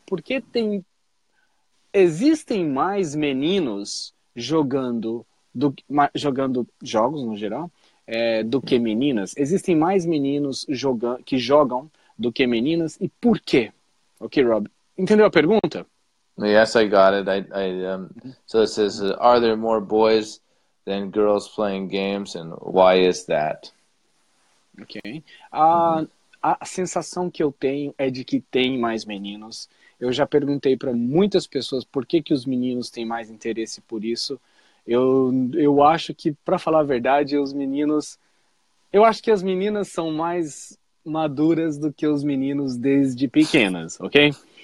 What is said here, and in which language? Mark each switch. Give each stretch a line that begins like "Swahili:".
Portuguese: Por que tem... Existem mais meninos jogando, jogando jogos, no geral, do que meninas? Existem mais meninos que jogam do que meninas, e por quê? Ok, Rob. Entendeu a pergunta?
English: Yes, I got it. So it says, are there more boys than girls playing games, and why is that?
Portuguese: Ok. A sensação que eu tenho é de que tem mais meninos. Eu já perguntei para muitas pessoas por que que os meninos têm mais interesse por isso. Eu acho que, para falar a verdade, os meninos... Eu acho que as meninas são mais... maduras do que os meninos desde pequenas, ok?